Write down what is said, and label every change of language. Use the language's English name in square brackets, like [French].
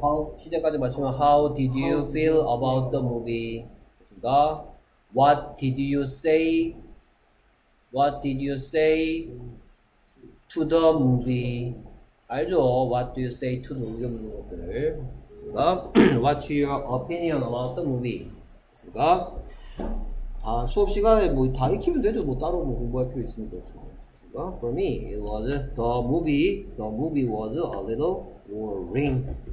[English] How, [Korean] 시작까지 맞추면 [English] How did you feel about the movie? [Korean] 그렇습니까? [English] What did you say? What did you say to the movie? [Korean] 알죠? [English] What do you say to the [Korean] 의견 묻는 것들 [English] What's your opinion about the movie? [Korean] 그러니까 아, 수업 시간에 뭐다 익히면 되죠. 뭐 따로 뭐 공부할 필요 있습니까? [English] For me, it was the movie was a little boring.